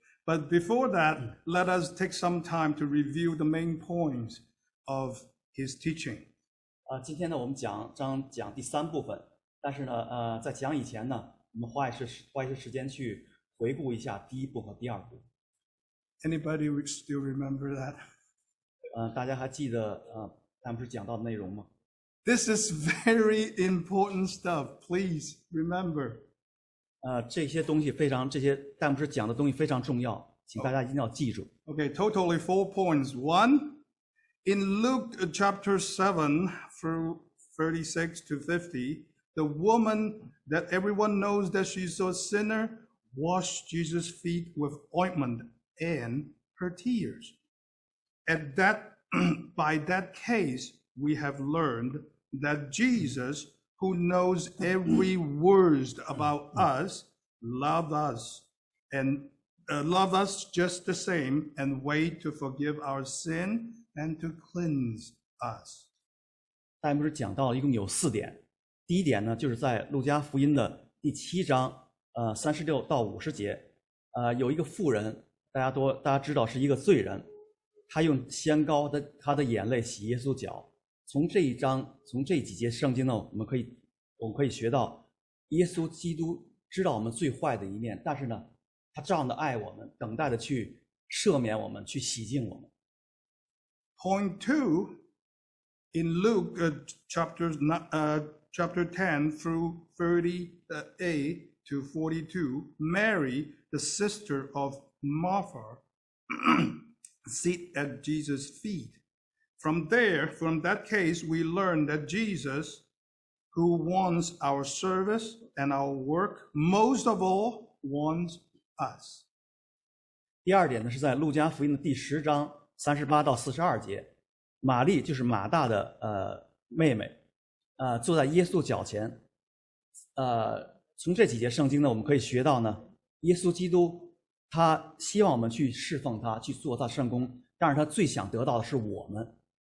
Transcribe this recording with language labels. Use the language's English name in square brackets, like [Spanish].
[English] But before that, let us take some time to review the main points of his teaching. [Chinese] 今天呢我们讲将讲第三部分，但是呢在讲以前呢，我们花一些时间去回顾一下第一部和第二部。 [English] Anybody still remember that? [Chinese] 大家还记得咱们不是讲到的内容吗？ [English] This is very important stuff, please remember. [Chinese] 这些东西非常，这些咱们不是讲的东西非常重要，请大家一定要记住。 [English] Okay, totally 4 points. One,In Luke chapter 7, through 36 to 50, the woman that everyone knows that she's a sinner washed Jesus' feet with ointment and her tears. At that, by that case, we have learned that Jesus, who knows every word about us, love us just the same and wait to forgive our sin. And to cleanse us. [Chinese] 戴牧师讲到一共有四点。第一点呢，就是在路加福音的第七章36到50节，有一个妇人，大家知道是一个罪人，他用香膏的他的眼泪洗耶稣脚。从这几节圣经呢，我们可以学到，耶稣基督知道我们最坏的一面，但是呢，他照样的爱我们，等待的去赦免我们，去洗净我们。 [English] Point two, in Luke chapter 10 through 38 to 42, Mary, the sister of Martha, sit at Jesus' feet. From that case, we learn that Jesus, who wants our service and our work, most of all, wants us. [Chinese] 第二点呢，是在路加福音的第十章38到42节，玛丽就是马大的妹妹，坐在耶稣脚前。从这几节圣经呢，我们可以学到呢，耶稣基督他希望我们去侍奉他，去做他圣工，但是他最想得到的是我们。